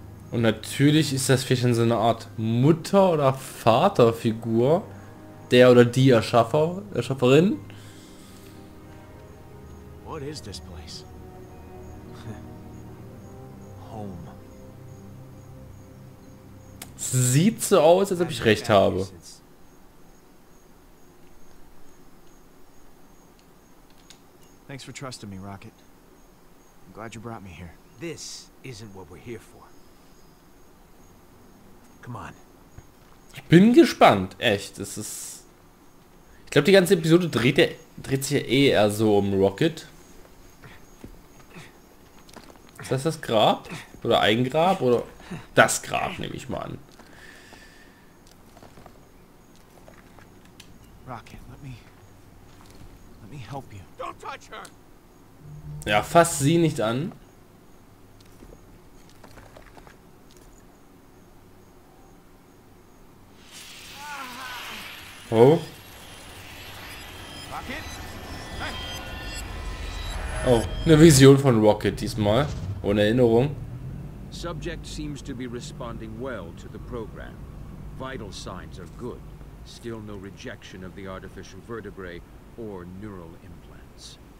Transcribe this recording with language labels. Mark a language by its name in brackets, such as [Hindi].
[German] Und natürlich ist das vielleicht so eine Art Mutter- oder Vaterfigur, der oder die Erschafferin. [English] What is this place? Home. [German] Sieht so aus, als ob ich recht habe. [English] Thanks for trusting me, Rocket. I'm glad you brought me here. This isn't what we're here for. Come on. [German] Ich bin gespannt, echt. Es ist. Ich glaube, die ganze Episode dreht sich ja eh eher so um Rocket. Ist das das Grab? Oder ein Grab? Oder das Grab, nehme ich mal an. [English] Rocket, let me help you. Don't touch her. [German] Ja, fass sie nicht an. Oh. Oh, eine Vision von Rocket diesmal. Ohne Erinnerung. [English] Subject seems to be responding well to the program. Vital signs are good. Still no rejection of the artificial vertebrae or neural implants.